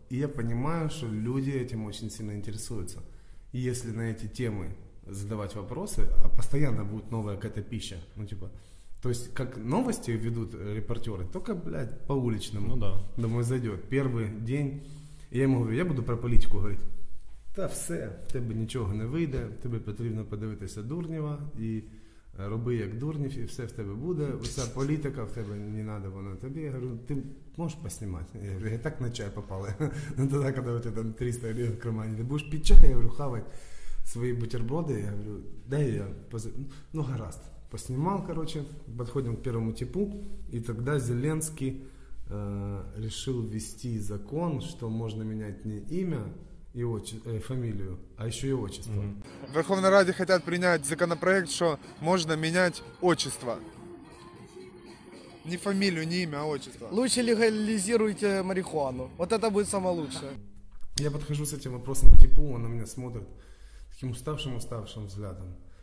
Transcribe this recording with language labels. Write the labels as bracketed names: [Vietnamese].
[Russian] И я понимаю, что люди этим очень сильно интересуются. Если на эти темы задавать вопросы, а постоянно будет новая какая-то пища, ну типа, то есть как новости ведут репортеры, только, блядь, по уличному. Ну да. Думаю, зайдет. Первый день, я ему говорю, я буду про политику говорить. [Ukrainian] Та все, в тебе нічого не вийде, тобі потрібно подивитися Дурнєва і роби як Дурнєв, і все в тебе буде. Оця політика в тебе не треба, вона тобі. Я говорю, ти можеш поснімати? Я говорю, я так на чай попали. Ну тоді, коли у тебе там 300 гривень в кармані, ти будеш під чай, я говорю, хавати свої бутерброди. Я говорю, де я? Ну гаразд. Поснімав, короче, підходимо к первому типу, і тоді Зеленський рішив ввести закон, що можна міняти не ім'я, [Russian] фамилию, а еще и отчество. В Верховной Раде хотят принять законопроект, что можно менять отчество. Не фамилию, не имя, а отчество. Лучше легализируйте марихуану. Вот это будет самое лучшее. Я подхожу с этим вопросом к типу, он на меня смотрит таким уставшим взглядом.